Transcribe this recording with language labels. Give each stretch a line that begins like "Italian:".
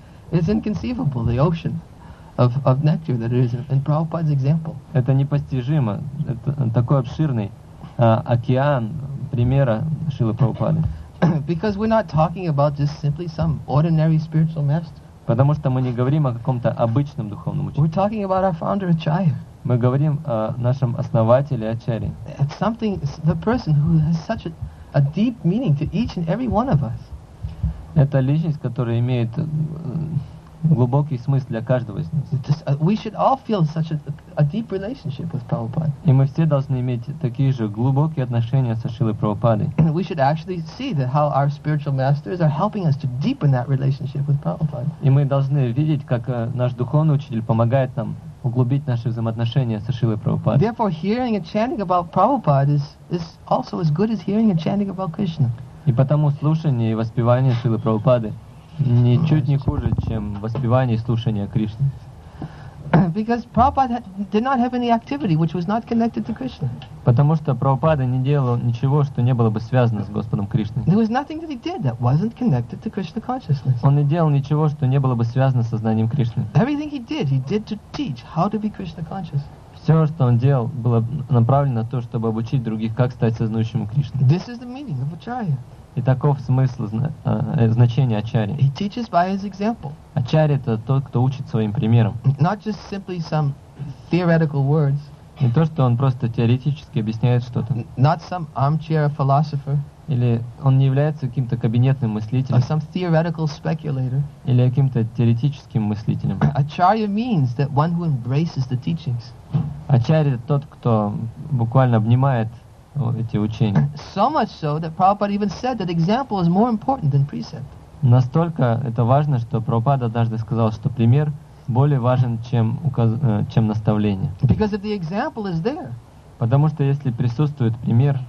English: It's inconceivable, the ocean of nectar that is in Prabhupada's example.
Russian: Это непостижимо. Это такой обширный океан примера Шилы Прабхупады.
English: Because we're not talking about just simply some ordinary spiritual master.
Russian: Потому что мы не говорим о каком-то обычном духовном учителе.
English: We're talking about our founder Acharya.
Russian: Мы говорим о нашем основателе Ачарье.
English: It's something, it's the person who has such a deep meaning to each and every one of us.
Russian: Это личность, которая имеет глубокий смысл для каждого из нас.
English: We should all feel such a deep relationship with Prabhupada.
Russian: И мы все должны иметь такие же глубокие отношения со Шилой Прабхупадой.
English: And we should actually see that how our spiritual masters are helping us to deepen that relationship with Prabhupada.
Russian: И мы должны видеть, как наш духовный учитель помогает нам углубить наши взаимоотношения со Шилой Прабхупадой.
English: Therefore, hearing and chanting about Prabhupada is also as good as hearing and chanting about Krishna.
Russian: И потому слушание и воспевание Шилы Прабхупады ничуть не хуже, чем воспевание и слушание Кришны.
English: Because Prabhupada did not have any activity which was not connected to Krishna.
Russian: Потому что Прабхупада не делал ничего, что не было бы связано с Господом Кришной.
English: There was nothing that he did that wasn't connected to Krishna consciousness.
Russian: Он не делал ничего, что не было бы связано с сознанием Кришны.
English: Everything he did to teach how to be Krishna conscious.
Russian: Все, что он делал, было направлено на то, чтобы обучить других, как стать сознающим Кришной.
English: This is the meaning of Acharya.
Russian: И таков смысл, значение Ачарьи.
English: He teaches by his example.
Russian: Ачарьи — это тот, кто учит своим примером.
English: Not just simply some theoretical words.
Russian: Не то, что он просто теоретически объясняет что-то.
English: Not some armchair philosopher.
Russian: Или он не является каким-то кабинетным мыслителем.
English: Or some theoretical speculator.
Russian: Или каким-то теоретическим мыслителем.
English: Acharya means that one who embraces the teachings.
Russian: Ачарьи — тот, кто буквально обнимает эти учения.
English: So much so that Prabhupada even said that example is more important than precept.
Russian: Настолько это важно, что Прабхупада однажды сказал, что пример более важен, чем наставление.
English: Because if the example is there,
Russian: потому что если присутствует пример,